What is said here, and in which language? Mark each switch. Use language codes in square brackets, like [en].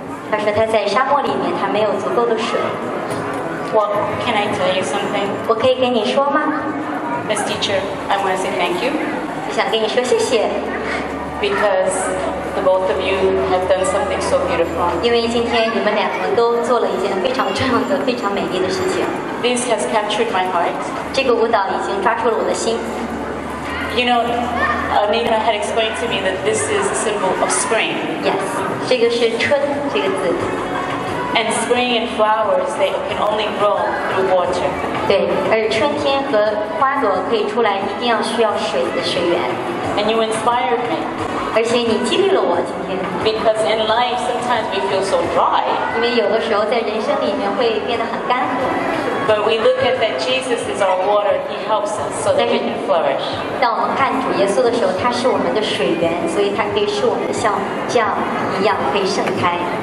[zh] 她说她在沙漠里面，她没有足够的水。 [en] Well, can I tell you something? [zh] 我可以跟你说吗 [en] ？Miss teacher, I want to say thank you. [zh] 我想跟你说谢谢。 [en] Because. The both of you have done something so beautiful. [zh] 因为今天你们两个都做了一件非常重要的、非常美丽的事情。 [en] This has captured my heart. [zh] 这个舞蹈已经抓住了我的心。 [en] You know, Nina had explained to me that this is a symbol of spring. [zh] Yes, 这个是春这个字。 [en] And spring and flowers, they can only grow through water. [zh] 对，而春天和花朵可以出来，一定要需要水的水源。 [en] And you inspired me. [zh] 而且你激励了我今天。 [en] Because in life sometimes we feel so dry. [zh] 因为有的时候在人生里面会变得很干涸。 [en] But we look at that Jesus is our water. He helps us so that we can flourish. [zh] 当我们看主耶稣的时候，他是我们的水源，所以他可以使我们的像酱一样可以盛开。